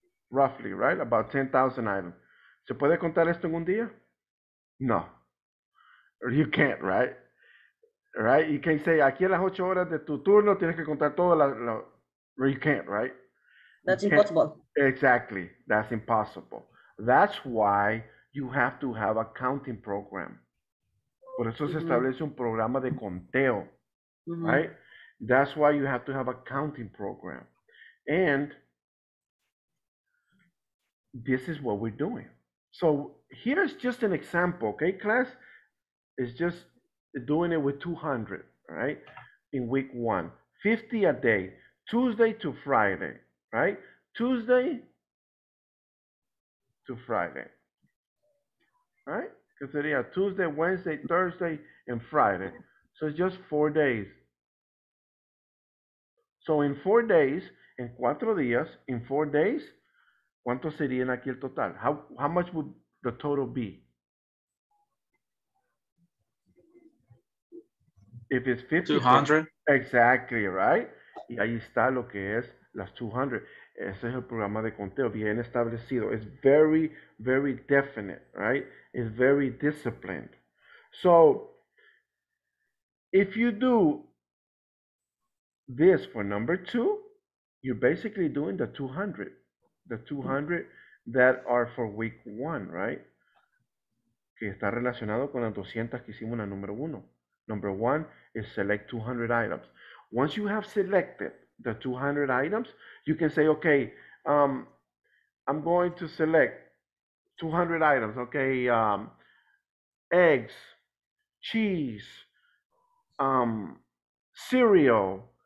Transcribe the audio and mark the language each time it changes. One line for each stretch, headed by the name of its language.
English: Roughly, right? About 10,000 items.
Spanish: ¿Se puede contar esto en un día?
English: No. You can't, right? Right? You can't say,
Spanish: aquí a las 8 horas de tu turno, tienes que contar todo.
English: You can't, right? That's impossible. Exactly. That's impossible. That's why you have to have a counting program.
Spanish: Por eso se establece un programa de conteo.
English: Right? That's why you have to have a counting program. And this is what we're doing. So here's just an example, okay, class? It's just doing it with 200, right? In week one, 50 a day, Tuesday to Friday, right? Tuesday to Friday, right? Because it is Tuesday, Wednesday, Thursday, and Friday. So it's just 4 days. So in 4 days,
Spanish: en cuatro días,
English: in 4 days,
Spanish: ¿cuánto sería aquí el total?
English: How much would the total be? If it's 50. 200. Exactly, right?
Spanish: Y ahí está lo que es las 200. Ese es el programa de conteo bien establecido.
English: It's very, very definite, right? It's very disciplined. So, if you do this for number two, you're basically doing the 200. The 200 that are for week one, right?
Spanish: Que está relacionado con las 200 que hicimos en la número uno.
English: Number one is select 200 items. Once you have selected the 200 items, you can say, okay, I'm going to select 200 items. Okay, eggs, cheese, cereal.